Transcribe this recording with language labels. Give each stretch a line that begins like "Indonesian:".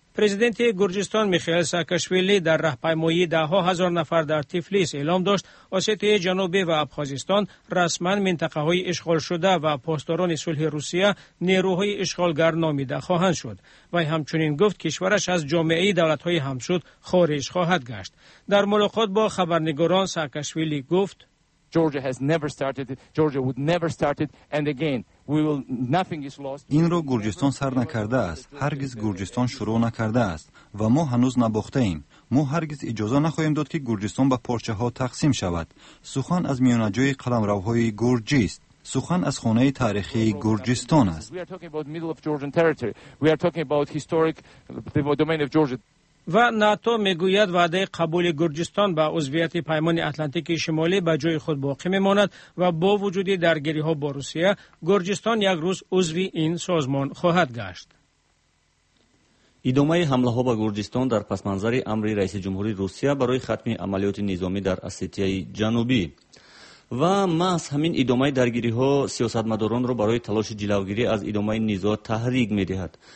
Persian: پرزیدنت گرجستان میخائیل ساکاشویلی در راهپیمایی ده ها هزار نفر در تیفلیس اعلام داشت آسیای جنوبی و ابخازستان رسما منطقه های اشغال شده و پاسداران صلح روسیه نیروهای اشغالگر نامیده خواهند شد. و همچنین گفت کشورش از جامعه دولت های همسود خارج خواهد گشت. در ملاقات با خبرنگاران ساکاشویلی گفت:
English: Georgia has never started it. Georgia would never start it. And again, we will. Nothing is lost.
Persian: این رو گرجستان سر نکرده است. هرگز گرجستان شروع نکرده است. و ما هنوز نباخته ایم. ما هرگز اجازه نخواهیم داد که گرجستان به پارچه ها تقسیم شود. سخن از میانجای قلمروهای گرجی است. سخن از خانه تاریخی گرجستان است.
English: We are talking about middle of Georgian territory. We are talking about historic the domain of Georgia.
Persian: و ناتو میگوید وعده قبول گرجستان به عضویت پیمان اتلانتیک شمالی به جای خود باقی میماند و با وجود درگیری ها با روسیه گرجستان یک روز عضو این سازمان خواهد گشت. ادامه حمله ها به گرجستان در پس منظر امر رئیس جمهوری روسیه برای ختم عملیات نظامی در آسیای جنوبی و محض همین ادامه درگیری ها سیاستمداران را برای تلاش جلوگیری از ادامه نزاع تحریک می دهد.